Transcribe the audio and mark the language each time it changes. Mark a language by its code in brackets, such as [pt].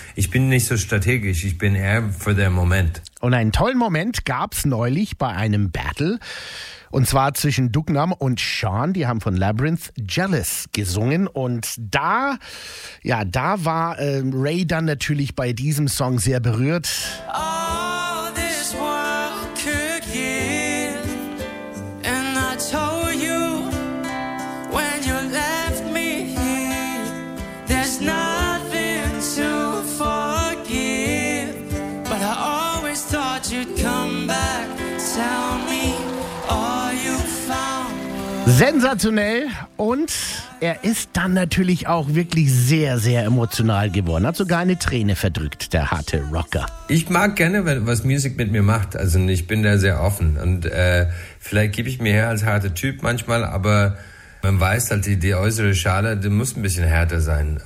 [de] Ich bin nicht so strategisch, ich bin eher für den Moment. Und einen tollen Moment gab's neulich bei einem Battle. Und zwar zwischen Duknam und Sean. Die haben von Labyrinth Jealous gesungen. Und da, ja, da war Ray dann natürlich bei diesem Song sehr berührt. [en] All this world could give, and I told you, when you left me here, there's nothing to forgive, but I always thought you'd come back, tell me all you found. [de] Sensationell. Und er ist dann natürlich auch wirklich sehr, sehr emotional geworden. Hat sogar eine Träne verdrückt, der harte Rocker. Ich mag gerne, was Musik mit mir macht. Also ich bin da sehr offen. Und vielleicht gebe ich mir her als harter Typ manchmal, aber man weiß halt, die äußere Schale, die muss ein bisschen härter sein.